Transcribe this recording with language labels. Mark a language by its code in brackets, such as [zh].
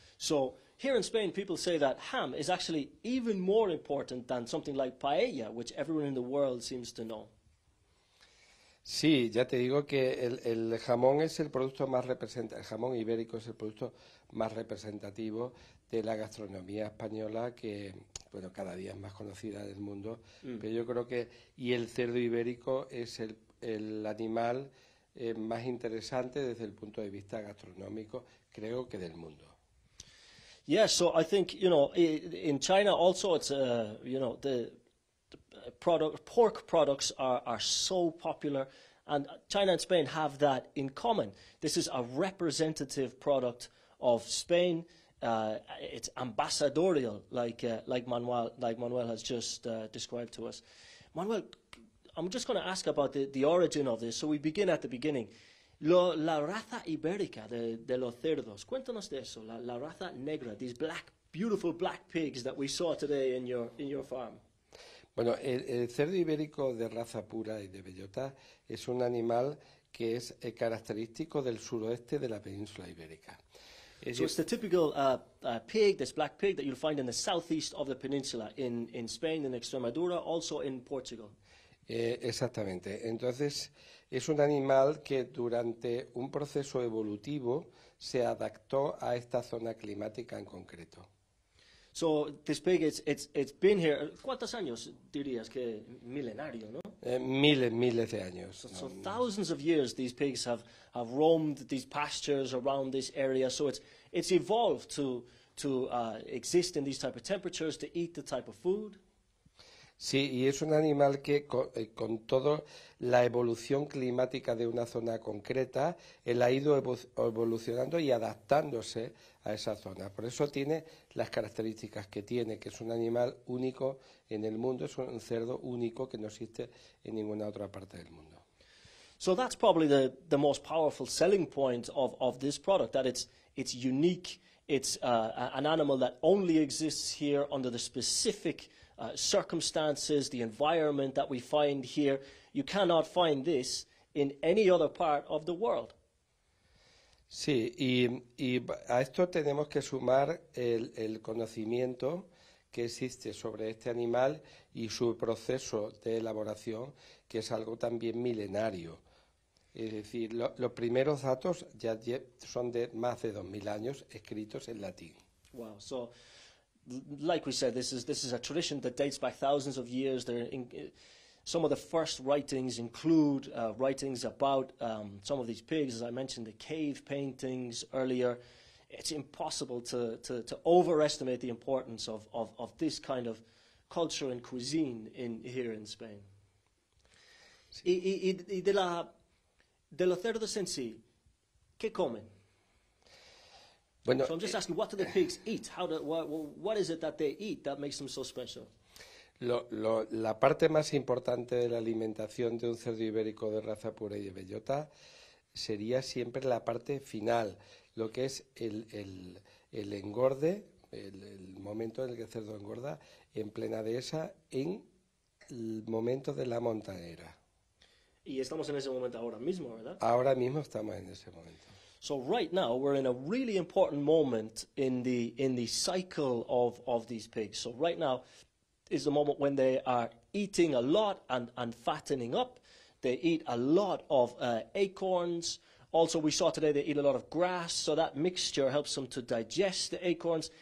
[en] So here in Spain, people say that ham is actually even more important than something like paella, which everyone in the world seems to know. [es] Sí, ya te digo que el jamón es el producto más representativo, el jamón ibérico es el producto más representativo de la gastronomía española que, bueno, cada día es más conocida del mundo, pero yo creo que, y el cerdo ibérico es el animal más interesante desde el punto de vista gastronómico, creo que del mundo. [en] Yeah, so I think, in China also it's the product pork products are so popular, and China and Spain have that in common. This is a representative product of Spain. It's ambassadorial, like Manuel has just described to us. Manuel, I'm just going to ask about the origin of this. So we begin at the beginning. [es] La raza ibérica de los cerdos. Cuéntanos de eso. La raza negra. [en] These black, beautiful black pigs that we saw today in your farm. [es] Bueno, el cerdo ibérico de raza pura y de bellota es un animal que es característico del suroeste de la península ibérica. [en] So it's the typical pig, this black pig that you'll find in the southeast of the peninsula, in Spain, in Extremadura, also in Portugal. [es] Exactamente. Entonces, es un animal que durante un proceso evolutivo se adaptó a esta zona climática en concreto. [en] So this pig, it's been here. [es] ¿Cuántos años dirías que milenario, no? Miles, miles de años. [en] So thousands of years these pigs have roamed these pastures around this area. So it's evolved to exist in these type of temperatures, to eat the type of food. [es] Sí, y es un animal que con toda la evolución climática de una zona concreta, él ha ido evolucionando y adaptándose a esa zona. Por eso tiene las características que tiene, que es un animal único en el mundo, es un cerdo único que no existe en ninguna otra parte del mundo. [en] So that's probably the most powerful selling point of this product, that it's unique. It's an animal that only exists here under the specific circumstances, the environment that we find here. You cannot find this in any other part of the world. [es] Sí, y a esto tenemos que sumar el conocimiento que existe sobre este animal y su proceso de elaboración, que es algo también milenario. Es decir, los primeros datos ya son de más de 2.000 años escritos en latín. [en] Wow, so like we said, this is a tradition that dates back thousands of years. Some of the first writings include writings about some of these pigs, as I mentioned, the cave paintings earlier. It's impossible to overestimate the importance of this kind of culture and cuisine here in Spain. [es] Y de los cerdos en sí, ¿qué comen? Bueno, [en] So I'm just asking, what do the pigs eat? What is it that they eat that makes them so special? [es] la parte más importante de la alimentación de un cerdo ibérico de raza pura y de bellota sería siempre la parte final, lo que es el engorde, el momento en el que el cerdo engorda, en plena dehesa, en el momento de la montanera. Y estamos en ese momento ahora mismo, ¿verdad? Ahora mismo estamos en ese momento. [en] So right now we're in a really important moment in the cycle of these pigs. So right now is the moment when they are eating a lot and fattening up. They eat a lot of acorns. Also, we saw today they eat a lot of grass, so that mixture helps them to digest the acorns.